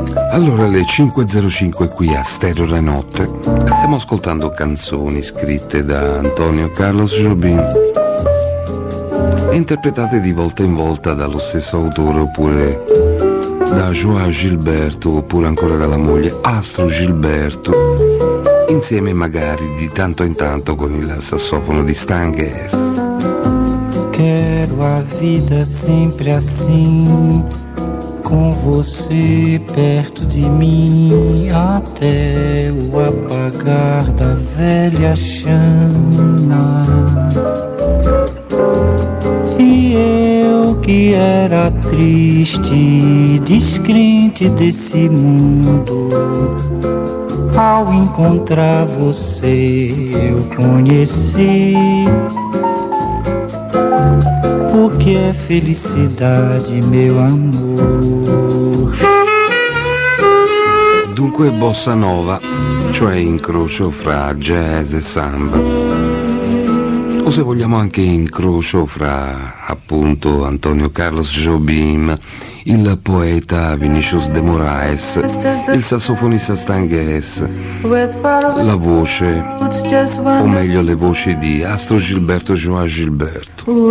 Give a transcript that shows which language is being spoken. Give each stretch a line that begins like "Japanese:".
Italian: Allora, le 5.05 qui a Stereo La Notte, stiamo ascoltando canzoni scritte da Antonio Carlos Jobim, interpretate di volta in volta dallo stesso autore, oppure da João Gilberto, oppure ancora dalla moglie Astro Gilberto, insieme magari di tanto in tanto con il sassofono di Stan Getz.
Portuguese: Quero a vita sempre assim, com você perto de mim, até o apagar da velha chama. E eu que era triste, descrente desse mundo, ao encontrar você eu conheci o que é felicidade, meu amor.
Italian: Dunque bossa nova, cioè incrocio fra jazz e samba, o se vogliamo anche incrocio fra appunto Antonio Carlos Jobim, il poeta Vinicius de Moraes, il sassofonista Stan Getz, la voce, o meglio le voci di Astro Gilberto e João Gilberto.